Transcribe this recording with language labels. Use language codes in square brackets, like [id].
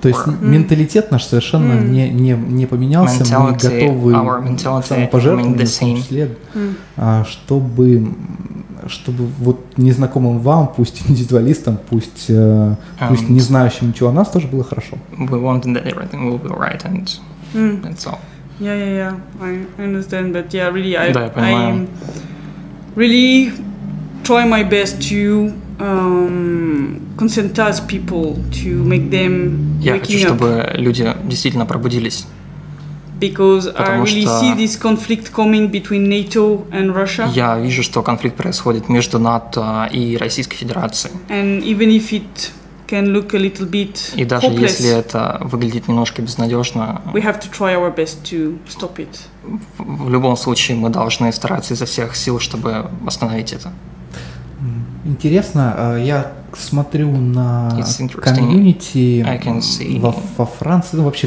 [ru] То есть менталитет наш совершенно не поменялся, [en] mentality, [ru] мы готовы самопожертвовать, в том числе, чтобы вот незнакомым вам, пусть индивидуалистам, пусть не знающим ничего о нас, тоже было хорошо. [en] We want that everything will be right, and that's all. Yeah, I understand, but yeah, really, I'm really try my best to conscientize people, to make them waking up. [ru] Я хочу, чтобы люди действительно пробудились. [en] Because I really see this conflict coming between NATO and Russia. [ru] Я вижу, что конфликт происходит между НАТО и Российской Федерацией. [en] And even if it can look a little bit hopeless, [ru] и даже если это выглядит немножко безнадежно, [en] we have to try our best to stop it. [ru] В любом случае, мы должны стараться изо всех сил, чтобы остановить это. Интересно, я смотрю на комьюнити во Франции, ну, вообще,